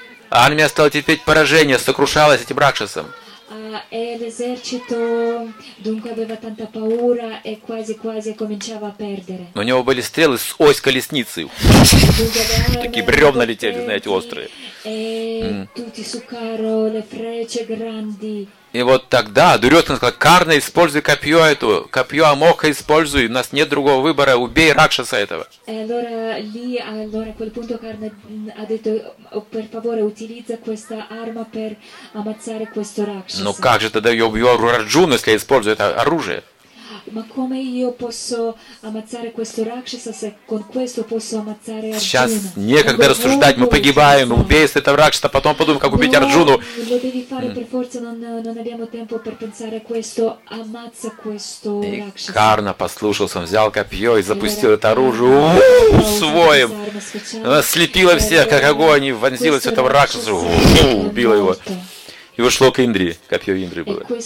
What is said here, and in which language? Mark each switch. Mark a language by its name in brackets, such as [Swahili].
[Russian] Армия стала терпеть поражение, сокрушалась этим ракшасом. [Italian] E l'esercito dunque aveva tanta paura e quasi cominciava a perdere. [Russian] У него были стрелы с ось колесницы. Такие бревна летели, знаете, острые. [Italian] Tutti su carro le frecce grandi. [Russian] И вот тогда Дурьотхана сказал: Карна, используй копье эту, копье Амоха используй, у нас нет другого выбора, убей ракшаса этого. [Italian] Allora, a quel punto Karna ha detto, per favore, utilizza questa arma per ammazzare questo ракшаса. [Russian] Ну как же тогда я убью Арджуну, если я использую это оружие? [Italian] Ma come io posso ammazzare questo ракшаса, se con questo posso ammazzare Arjuna? [Russian] Сейчас некогда рассуждать, мы погибаем, убей с этого ракшаса, потом подумаем, как убить Арджуну. [Italian] Lo devi fare per forza, non abbiamo tempo per pensare a questo, ammazza questo ракшаса. [Russian] И Карна послушался, он взял копье и запустил это оружие своим. Слепило всех, как огонь, и вонзилось в этого ракшаса, убило его. И ушло к Индре, копье Индры было.